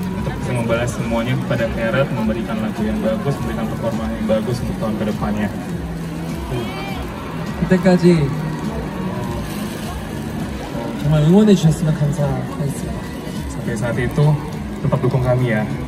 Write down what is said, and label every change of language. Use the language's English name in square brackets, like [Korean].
[Indonesian] Untuk bisa membalas semuanya kepada Herat, memberikan lagu yang bagus, memberikan performa yang bagus untuk tahun kedepannya. [Korean] 그때까지 정말 응원해 주셨으면 감사하겠습니다. [Indonesian] Sampai saat itu, tetap dukung kami ya.